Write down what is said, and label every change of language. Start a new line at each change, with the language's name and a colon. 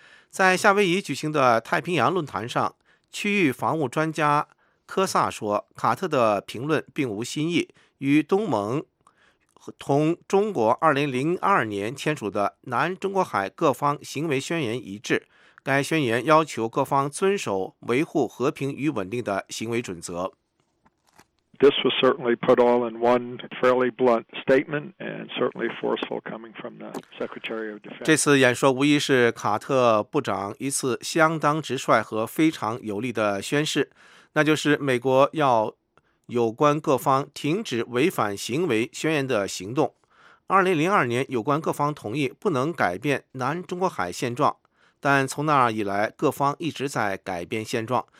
Chinese: 在夏威夷举行的太平洋论坛上，区域防务专家科萨说，卡特的评论并无新意，与东盟同中国2002年签署的南中国海各方行为宣言一致，该宣言要求各方遵守维护和平与稳定的行为准则。
English: This was certainly put all in one fairly blunt statement and certainly forceful coming from the Secretary of Defense.
Chinese: 这次演说无疑是卡特部长一次相当直率和非常有力的宣示，那就是美国要有关各方停止违反行为宣言的行动。 2002年，有关各方同意不能改变南中国海现状，但从那以来，各方一直在改变现状。